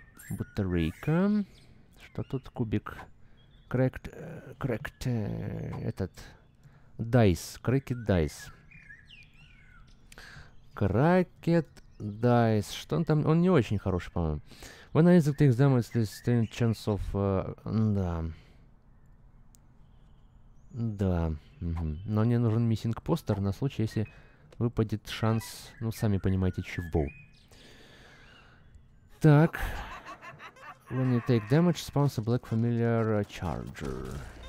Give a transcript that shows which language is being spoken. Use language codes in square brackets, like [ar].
[ru] Батарейка. Что тут? Кубик. Крэкт. Этот. Дайс. Крэкет дайс. Крэкет дайс. Что он там? Он не очень хороший, по-моему. [en] When Isaac takes damage, there's a chance of... [ru] Да. Да. Угу. Но мне нужен миссинг постер на случай, если выпадет шанс, ну, сами понимаете, чего. Так. [en] When you take damage, spawns a black familiar charger.